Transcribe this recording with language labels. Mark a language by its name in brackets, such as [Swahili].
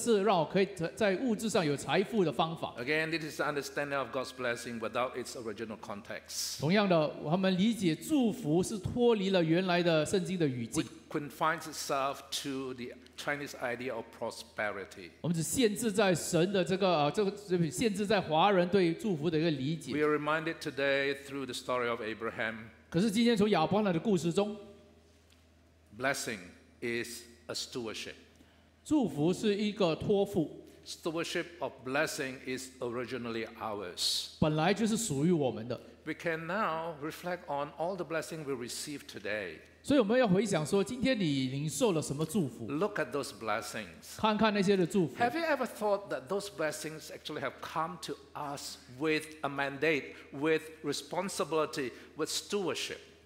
[Chinese] 所以很多人喜欢这本书，因为他觉得说，哦，这个是让我可以在物质上有财富的方法。 [English] Again, this is the understanding of God's blessing without its original context. [Chinese] 同样的，他们理解祝福是脱离了原来的圣经的语境。 [English] Which confines itself to the Chinese idea of prosperity. [Chinese] 我们只限制在神的这个，这个限制在华人对祝福的一个理解。 [English] We are reminded today through the story of Abraham. [Chinese] 可是今天从亚伯拉罕的故事中， [English] blessing is a stewardship. [Chinese] 祝福是一个托付。 [English] Stewardship of blessing is originally ours. [Chinese] 本来就是属于我们的。 [English] We can now reflect on all the blessing we receive today. [Chinese] 所以我们要回想说，今天你领受了什么祝福？ [English] Look at those blessings. [Chinese] 看看那些的祝福。 [English] Have you ever thought that those blessings actually have come to us with a mandate, with responsibility, with stewardship?